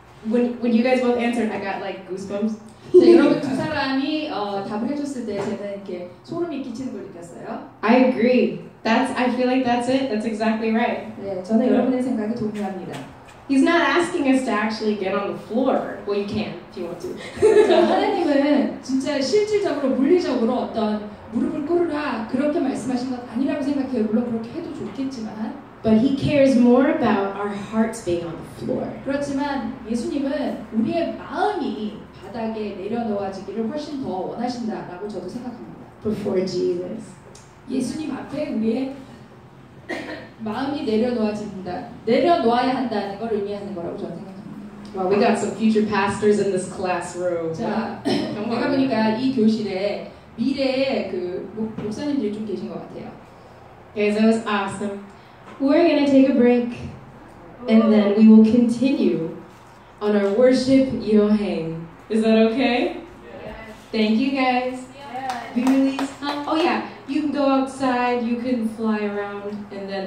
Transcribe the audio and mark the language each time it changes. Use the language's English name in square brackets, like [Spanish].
[English] When you guys both answered, I got like goosebumps. [Korean] 네, 여러분 두 사람이 답을 해줬을 때 저는 이렇게 소름이 끼치는 걸 느꼈어요. [English] I agree. I feel like that's it. That's exactly right. [Korean] 네, 저는 여러분의 생각에 동의합니다. [English] He's not asking us to actually get on the floor. Well, you can if you want to. [Korean] 하나님은 진짜 실질적으로 물리적으로 어떤 무릎을 꿇으라 그렇게 말씀하신 건 아니라고 생각해요. 물론 그렇게 해도 좋겠지만. [English] But he cares more about our hearts being on the floor. [Korean] 그렇지만 예수님은 우리의 마음이 바닥에 내려놓아지기를 훨씬 더 원하신다라고 저도 생각합니다. [English] Before Jesus. [Korean] 예수님 앞에 우리의 마음이 내려놓아진다. 내려놓아야 한다는 걸 의미하는 거라고 저는 생각합니다. [English] Well, we got some future pastors in this classroom. [Korean] 자, 내가 보니까 이 교실에 미래의 그 목사님들이 좀 계신 것 같아요. [English] Okay, so it was awesome. We're going to take a break, and then we will continue on our worship yohang. Is that okay? Yes. Thank you, guys. Yes. Oh, yeah. You can go outside, you can fly around, and then...